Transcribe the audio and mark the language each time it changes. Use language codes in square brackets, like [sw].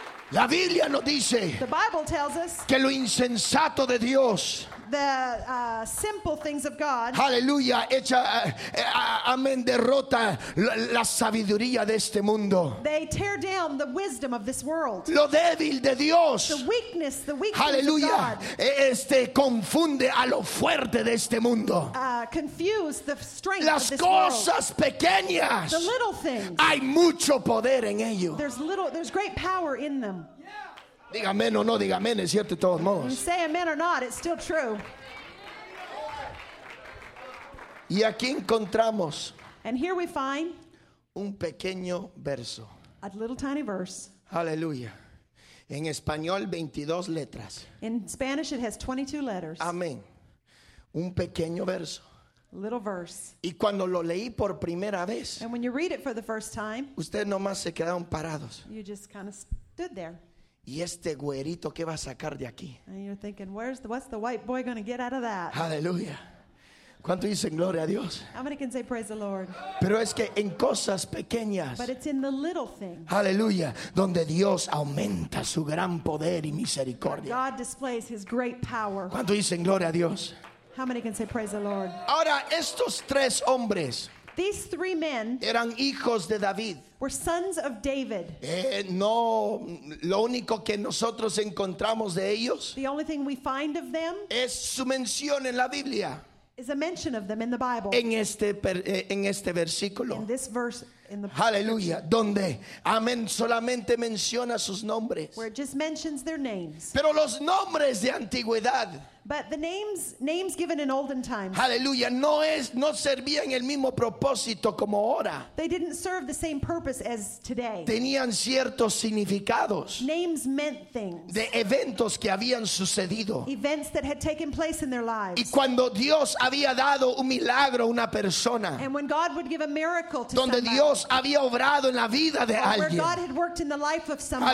[es] La Biblia nos dice [en] the Bible tells us [es] que lo insensato de Dios [en] the simple things of God. Hallelujah. [es] Echa, amen, derrota la sabiduría de este mundo. [en] They tear down the wisdom of this world. [es] Lo débil de Dios. [en] The weakness hallelujah. Of God. [es] Este confunde a lo fuerte de este mundo. [en] Confuse the strength [es] las [en] of this [es] cosas [en] world. [es] Pequeñas. [en] The little things. [es] Hay mucho poder en ello. [en] There's great power in them. [es] Diga amén o no, diga amén, es cierto de todos modos. [en] You say amen or not, it's still true. [es] Y aquí encontramos [en] and here we find [es] un pequeño verso. [en] A little tiny verse. [es] Aleluya. En español, 22 letras. [en] In Spanish, it has 22 letters. [es] Amén. Un pequeño verso. [en] Little verse. [es] Y cuando lo leí por primera vez [en] and when you read it for the first time [es] ustedes nomás se quedaron parados. [en] You just kind of stood there. [es] Y este güerito qué va a sacar de aquí. [en] And you're thinking, what's the white boy going to get out of that? [es] Aleluya. ¿Cuánto dicen gloria a Dios? [en] How many can say praise the Lord? [es] Pero es que en cosas pequeñas. [en] But it's in the little things. [es] Aleluya. Donde Dios aumenta su gran poder y misericordia. [en] God displays his great power. [es] ¿Cuánto dicen gloria a Dios? [en] How many can say praise the Lord? [es] Ahora estos tres hombres. [en] These three men [es] eran hijos de David. [en] Were sons of David. [es] No, lo único que nosotros encontramos de ellos [en] the only thing we find of them [es] es su mención en la Biblia. [en] Is a mention of them in the Bible. [es] En este versículo. [en] In this verse in the [es] hallelujah. Bible. Donde amén solamente menciona sus nombres. [en] Where it just mentions their names. [es] Pero los nombres de antigüedad. [en] But the names given in olden times. [es] Hallelujah. No servían el mismo propósito como ahora. [en] They didn't serve the same purpose as today. [es] Tenían ciertos significados. [en] Names meant things. [es] De eventos que habían sucedido. [en] Events that had taken place in their lives. [es] Y cuando Dios había dado un milagro a una persona. [en] And when God would give a miracle to [es] donde [en] somebody. [es] Dios había obrado en la vida de alguien. [en] Where God had worked in the life of someone.